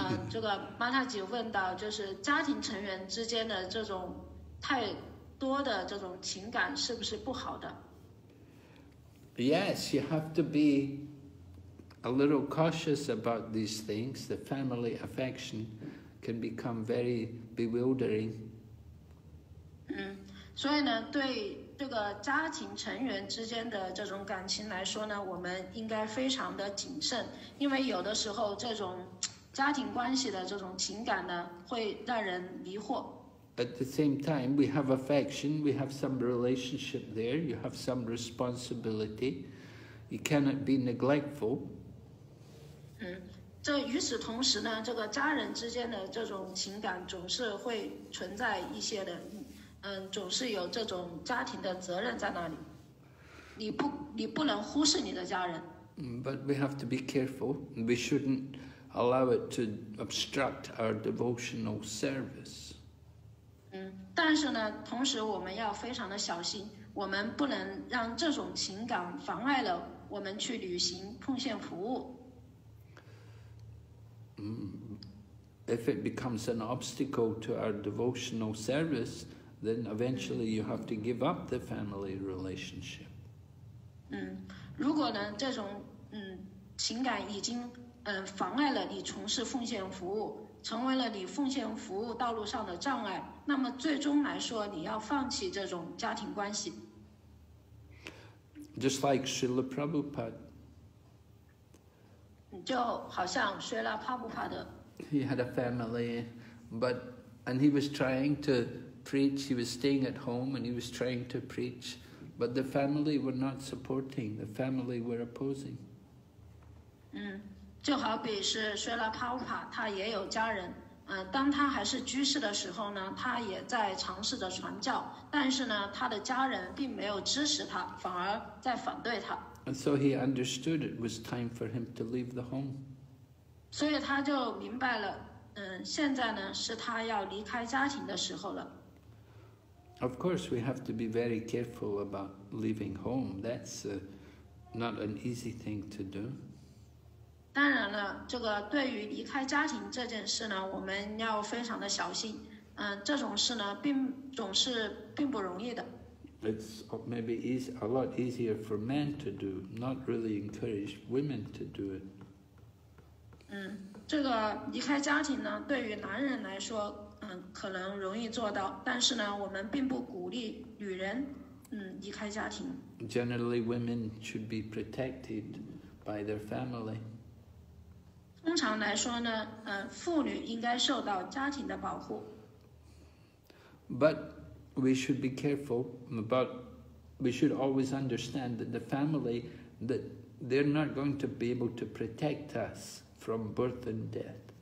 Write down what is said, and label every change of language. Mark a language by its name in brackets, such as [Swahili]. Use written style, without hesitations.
[Chinese] 这个马塔吉问到，就是家庭成员之间的这种太多的这种情感是不是不好的 [English] ？Yes, you have to be a little cautious about these things. The family affection can become very bewildering. [Chinese] 所以呢，对这个家庭成员之间的这种感情来说呢，我们应该非常的谨慎，因为有的时候这种。家庭关系的这种情感呢，会让人迷惑。 [English] At the same time, we have affection, we have some relationship there, you have some responsibility. You cannot be neglectful. [Chinese] 这与此同时呢，这个家人之间的这种情感总是会存在一些的，总是有这种家庭的责任在那里。你不能忽视你的家人。 [English] But we have to be careful. We shouldn't. Allow it to obstruct our devotional service. [Chinese] 但是呢，同时我们要非常的小心，我们不能让这种情感妨碍了我们去履行奉献服务。 [English] If it becomes an obstacle to our devotional service, then eventually you have to give up the family relationship. [Chinese] 如果呢，这种情感已经妨碍了你从事奉献服务，成为了你奉献服务道路上的障碍。那么最终来说，你要放弃这种家庭关系。 [English] Just like Srila Prabhupada. [Chinese] 就好像 Srila Prabhupada. [English] He had a family, and he was trying to preach. He was staying at home and he was trying to preach, but the family were not supporting. The family were opposing. [Chinese] 就好比是薛拉帕乌帕，他也有家人。当他还是居士的时候呢，他也在尝试着传教，但是呢，他的家人并没有支持他，反而在反对他。 [English] And so he understood it was time for him to leave the home. [Chinese] 所以他就明白了，现在呢是他要离开家庭的时候了。 [English] Of course, we have to be very careful about leaving home. That's not an easy thing to do. [Chinese] 当然了，这个对于离开家庭这件事呢，我们要非常的小心。这种事呢，并不容易的。 [English] it's maybe easy, a lot easier for men to do, not really encourage women to do it. [Chinese] 这个离开家庭呢，对于男人来说，可能容易做到，但是呢，我们并不鼓励女人离开家庭。 [English] Generally, women should be protected by their family. [Chinese] 通常来说呢，妇女应该受到家庭的保护。 [English] But we should be careful about, we should always understand that the family, that they're not going to be able to protect us from birth and death.